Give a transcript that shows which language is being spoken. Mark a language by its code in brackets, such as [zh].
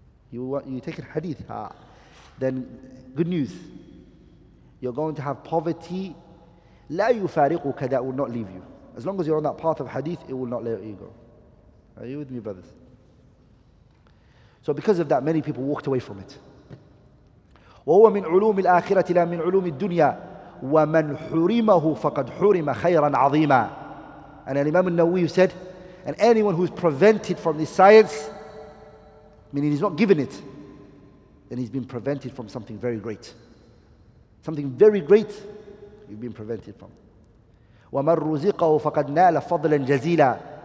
[en] You take a hadith, then good news. You're going to have poverty. [ar] لا يفارقك, [en] that will not leave you. As long as you're on that path of hadith, it will not let you go. Are you with me, brothers? So because of that, many people walked away from it. [ar] وهو من علوم الآخرة لا من علوم الدنيا ومن حرمه فقد حرم خيرا عظيما. [en] And Imam al-Nawawi said, and anyone who is prevented from this science, meaning he's not given it, then he's been prevented from something very great. Something very great you've been prevented from. [ar] وَمَنْ رُزِقَهُ فَقَدْ نَالَ فَضْلًا جَزِيلًا.